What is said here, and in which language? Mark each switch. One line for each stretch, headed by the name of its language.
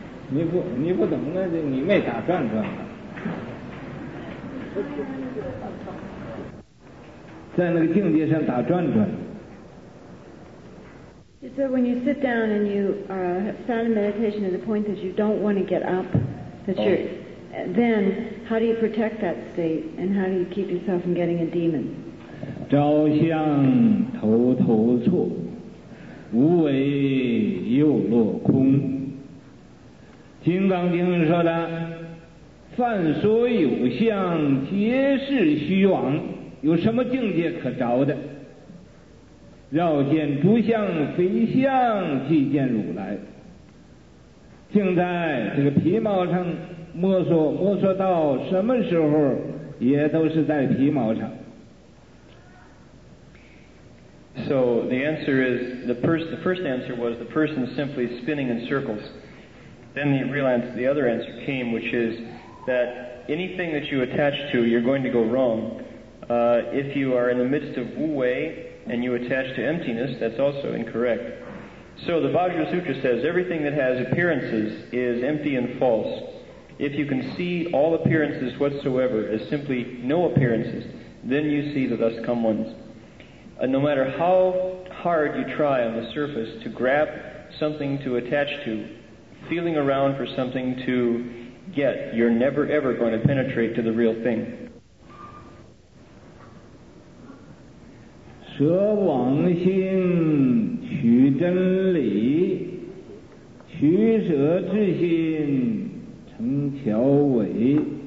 Chinese: 你不懂那就你没打转转了，在那个境界上打转转。
English: So when you sit down and you have found a meditation at the point that you don't want to get up, that you're, then how do you protect that state and how do you keep yourself from getting a demon?
Chinese: 朝向头头错，无为又落空。金刚经说的，凡所有相皆是虚妄，有什么境界可着的？绕见诸相非相，即见如来。竟在这个皮毛上摸索，摸索到什么时候也都是在皮毛上。
English: So the answer is the first answer was the person simply spinning in circles. Then the real answer, the other answer came, which is that anything that you attach to, you're going to go wrong. If you are in the midst of wu wei and you attach to emptiness, that's also incorrect. So the Vajrasutra says everything that has appearances is empty and false. If you can see all appearances whatsoever as simply no appearances, then you see the thus come ones. No matter how hard you try on the surface to grab something to attach to, feeling around for something to get, you're never ever going to penetrate to the real thing.
Chinese: 舍妄心取真理，取舍之心成巧伪。